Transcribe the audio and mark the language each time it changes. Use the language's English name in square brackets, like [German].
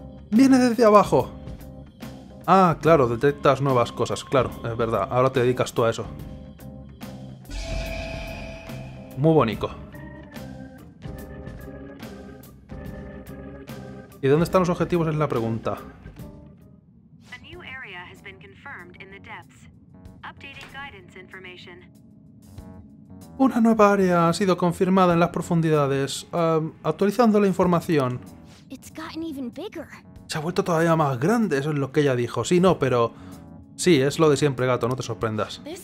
[Spanish] ¡Viene desde abajo! Ah, claro, detectas nuevas cosas, claro, es verdad, ahora te dedicas tú a eso. Muy bonito. ¿Y dónde están los objetivos? Es la pregunta. [English] A new area has been confirmed in the depths. Updating guidance information. [Spanish] Una nueva área ha sido confirmada en las profundidades, actualizando la información. [English] It's gotten even bigger. [Spanish] Se ha vuelto todavía más grande, eso es lo que ella dijo. Sí, no, pero... Sí, es lo de siempre, gato, no te sorprendas.